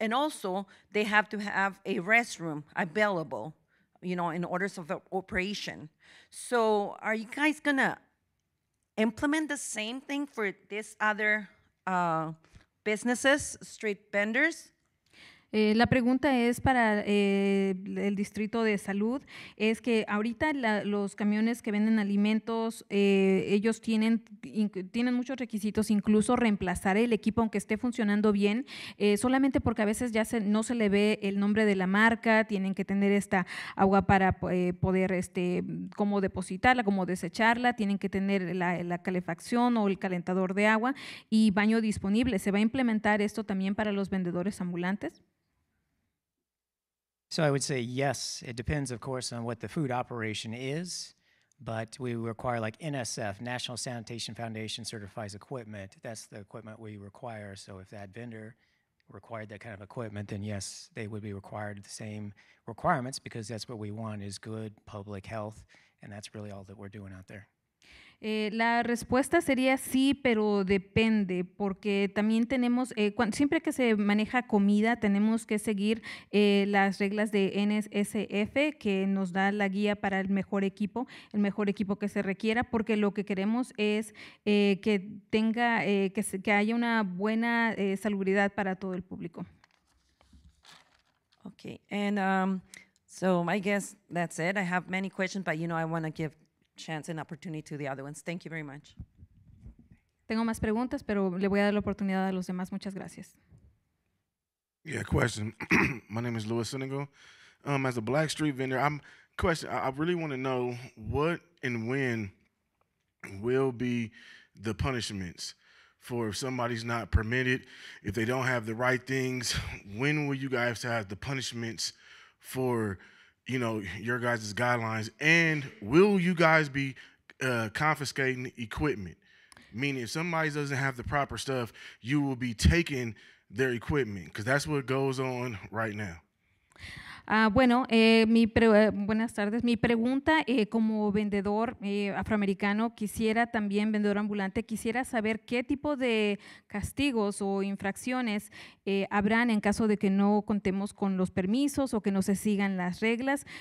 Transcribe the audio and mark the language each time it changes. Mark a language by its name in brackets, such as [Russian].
[English] And also they have to have a restroom available, you know, in orders of operation. So are you guys gonna implement the same thing for this other businesses, street vendors? [Spanish] La pregunta es para el Distrito de Salud, es que ahorita los camiones que venden alimentos, ellos tienen muchos requisitos, incluso reemplazar el equipo aunque esté funcionando bien, solamente porque a veces ya no se le ve el nombre de la marca, tienen que tener esta agua para poder cómo depositarla, cómo desecharla, tienen que tener la calefacción o el calentador de agua y baño disponible. ¿Se va a implementar esto también para los vendedores ambulantes? [English] So I would say yes. It depends, of course, on what the food operation is. But we require, like, NSF, National Sanitation Foundation certifies equipment. That's the equipment we require. So if that vendor required that kind of equipment, then yes, they would be required the same requirements, because that's what we want, is good public health, and that's really all that we're doing out there. [Spanish] La respuesta sería sí, pero depende, porque también tenemos, siempre que se maneja comida, tenemos que seguir las reglas de NSF, que nos da la guía para el mejor equipo que se requiera, porque lo que queremos es que tenga, que haya una buena salubridad para todo el público. [English] Okay, and so I guess that's it. I have many questions, but you know, I want to give chance and opportunity to the other ones. Thank you very much. [Spanish] Tengo más preguntas, pero le voy a dar la oportunidad a los demás. Muchas gracias. [English] Yeah, question. My name is Louis Senegal. As a black street vendor, I really want to know what and when will be the punishments for if somebody's not permitted, if they don't have the right things. When will you guys have the punishments for, you know, your guys' guidelines, and will you guys be confiscating equipment? Meaning, if somebody doesn't have the proper stuff, you will be taking their equipment, because that's what goes on right now. [Spanish] Buenas tardes. Mi pregunta, como vendedor afroamericano, quisiera también, vendedor ambulante, quisiera saber qué tipo de castigos o infracciones habrán en caso de que no contemos con los permisos o que no se sigan las reglas.